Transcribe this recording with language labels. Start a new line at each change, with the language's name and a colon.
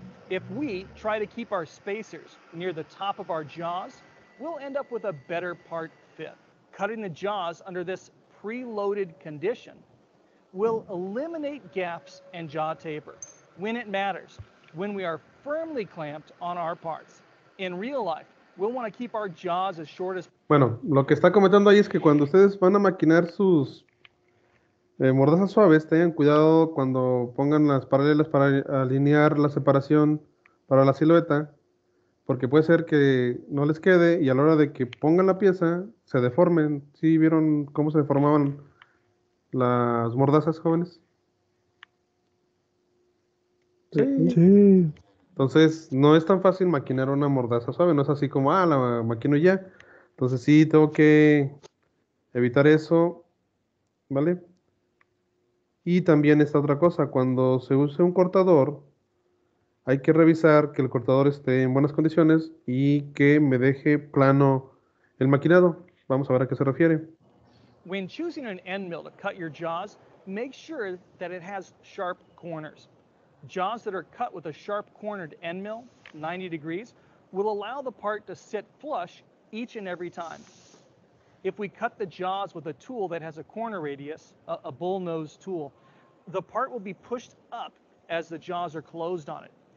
English: If we try to keep our spacers near the top of our jaws, we'll end up with a better part fit. Cutting the jaws under this preloaded condition will eliminate gaps and jaw taper when it matters, when we are firmly clamped on our parts. In real life, we'll want to keep our jaws as short as...
Spanish: Bueno, lo que está comentando ahí es que cuando ustedes van a maquinar sus mordazas suaves, tengan cuidado cuando pongan las paralelas para alinear la separación para la silueta, porque puede ser que no les quede y a la hora de que pongan la pieza, se deformen. ¿Sí vieron cómo se deformaban las mordazas, jóvenes? Sí. Entonces, no es tan fácil maquinar una mordaza suave, no es así como, ah, la maquino ya. Entonces, sí, tengo que evitar eso, ¿vale? Y también esta otra cosa, cuando se use un cortador, hay que revisar que el cortador esté en buenas condiciones y que me deje plano el maquinado. Vamos a ver a qué se refiere.
English: When choosing an end mill to cut your jaws, make sure that it has sharp corners. Jaws that are cut with a sharp-cornered end mill, 90 degrees, will allow the part to sit flush each and every time. If we cut the jaws with a tool that has a corner radius, a bullnose tool, the part will be pushed up as the jaws are closed on it.